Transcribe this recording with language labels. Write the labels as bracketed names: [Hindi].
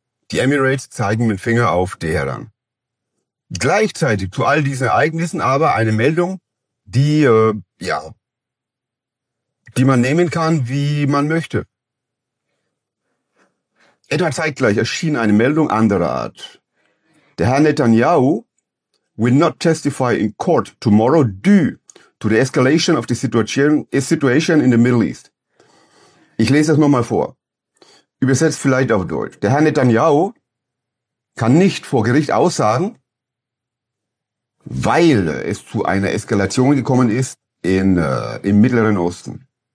[German] Die Emirates zeigen mit dem Finger auf Teheran. Gleichzeitig zu all diesen Ereignissen aber eine Meldung, die man nehmen kann, wie man möchte. Etwa zeitgleich erschien eine Meldung anderer Art. Der Herr [English] Netanyahu will not testify in court tomorrow due to the escalation of the situation in the Middle East. [German] Ich lese das nochmal vor. Übersetzt vielleicht auf Deutsch. Der Herr Netanyahu kann nicht vor Gericht aussagen, weil es zu einer Eskalation gekommen ist im Mittleren Osten.